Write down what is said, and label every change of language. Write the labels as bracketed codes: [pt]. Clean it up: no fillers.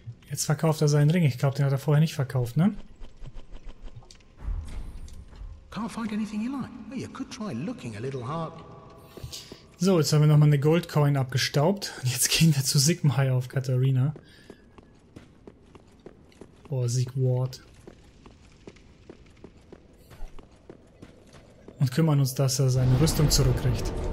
[de] Jetzt verkauft er seinen Ring. Ich glaube, den hat er vorher nicht verkauft, ne? [en] Can't find anything you like. Well, you could try looking a little hard. [de] So, jetzt haben wir nochmal eine Goldcoin abgestaubt. Und jetzt gehen wir zu Sigmar auf Katharina. [en] Oh, Sigward. [de] Und kümmern uns, dass er seine Rüstung zurückkriegt.